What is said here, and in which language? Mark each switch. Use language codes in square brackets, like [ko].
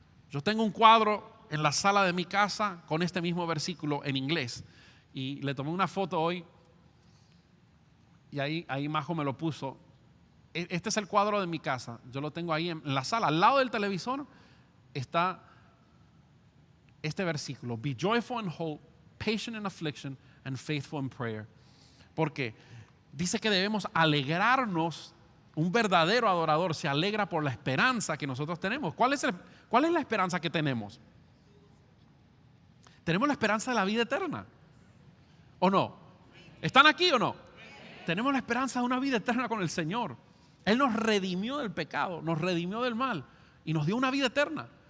[es] Yo tengo un cuadro en la sala de mi casa con este mismo versículo en inglés. Y le tomé una foto hoy y ahí Majo me lo puso. Este es el cuadro de mi casa. Yo lo tengo ahí en la sala. Al lado del televisor está este versículo. [en] Be joyful in hope, patient in affliction, and faithful in prayer. [es] ¿Por qué? Dice que debemos alegrarnos. Un verdadero adorador se alegra por la esperanza que nosotros tenemos. ¿Cuál es la esperanza que tenemos? Tenemos la esperanza de la vida eterna, ¿o no? ¿Están aquí o no? Tenemos la esperanza de una vida eterna con el Señor. Él nos redimió del pecado, nos redimió del mal y nos dio una vida eterna.